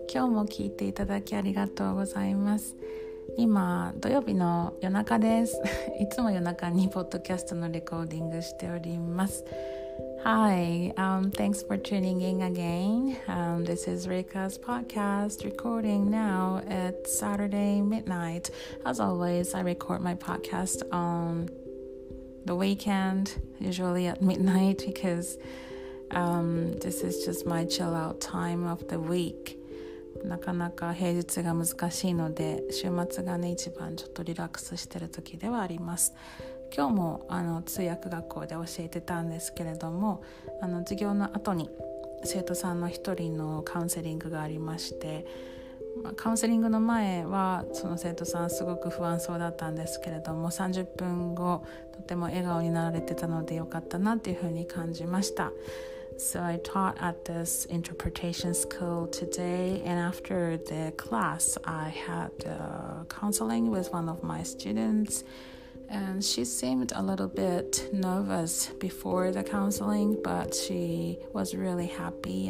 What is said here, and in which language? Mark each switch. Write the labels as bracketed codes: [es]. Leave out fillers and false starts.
[ja] 今日も聞いていただきありがとうございます。今土曜日の夜中です。いつも夜中にポッドキャストのレコーディングしております。 [en] Hi, thanks for tuning in again. This is Rika's podcast recording now at Saturday midnight. As always, I record my podcast on the weekend, usually at midnight, becausethis is just my chill out time of the week. [ja] なかなか平日が難しいので、週末がね、一番ちょっとリラックスしてる時ではあります。今日も通訳学校で教えてたんですけれども、授業の後に生徒さんの一人のカウンセリングがありまして、カウンセリングの前はその生徒さんすごく不安そうだったんですけれども、30分後とても笑顔になられてたのでよかったなっていうふうに感じました。 [en] So I taught at this interpretation school today, and after the class I had counseling with one of my students, and she seemed a little bit nervous before the counseling, but she was really happy.